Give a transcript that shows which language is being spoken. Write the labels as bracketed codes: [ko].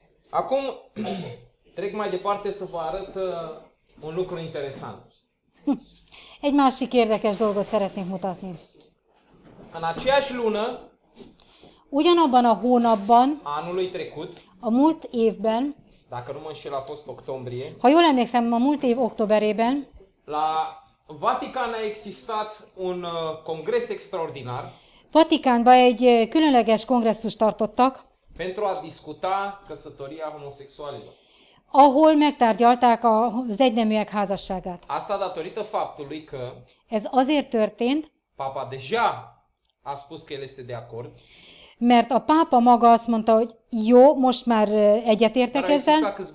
[ro] Acum trec mai departe să vă arăt un lucru interesant. [hu] Egy másik érdekes dolgot szeretnék mutatni. [ro] În aceeași lună, [hu] ugyanabban a hónapban, [ro] anului trecut, [hu] a múlt évben, [ro] dacă nu mă înșel, a fost octombrie, [hu] ha jól emlékszem, a múlt év októberében, [ro] la Vatican a existat un congres extraordinar, [hu] Vatikánban egy különleges kongresszust tartottak, [ro] pentru a discuta căsătoria homosexualilor, [hu] ahol megtárgyalták az egyneműek házasságát. [ro] Asta datorită faptului că [hu] ez azért történt, [ro] papa deja a spus că el este de acord. [hu] Mert a pápa maga azt mondta, hogy jó, most már egyetértek ezzel.